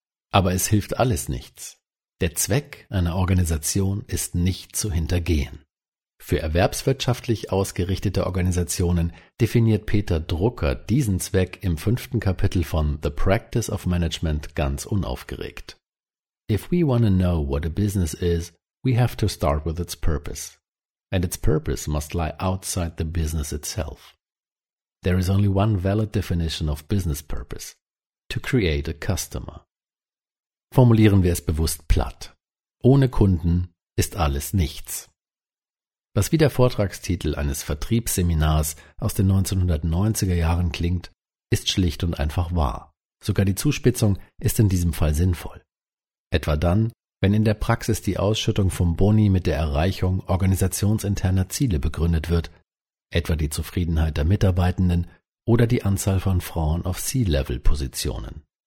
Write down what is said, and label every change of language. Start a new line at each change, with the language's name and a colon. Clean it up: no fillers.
German: Aber es hilft alles nichts. Der Zweck einer Organisation ist nicht zu hintergehen. Für erwerbswirtschaftlich ausgerichtete Organisationen definiert Peter Drucker diesen Zweck im 5. Kapitel von The Practice of Management ganz unaufgeregt.
English: If we want to know what a business is, we have to start with its purpose. And its purpose must lie outside the business itself. There is only one valid definition of business purpose, to create a customer.
German: Formulieren wir es bewusst platt. Ohne Kunden ist alles nichts. Was wie der Vortragstitel eines Vertriebsseminars aus den 1990er Jahren klingt, ist schlicht und einfach wahr. Sogar die Zuspitzung ist in diesem Fall sinnvoll. Etwa dann, wenn in der Praxis die Ausschüttung vom Boni mit der Erreichung organisationsinterner Ziele begründet wird, etwa die Zufriedenheit der Mitarbeitenden oder die Anzahl von Frauen auf C-Level-Positionen.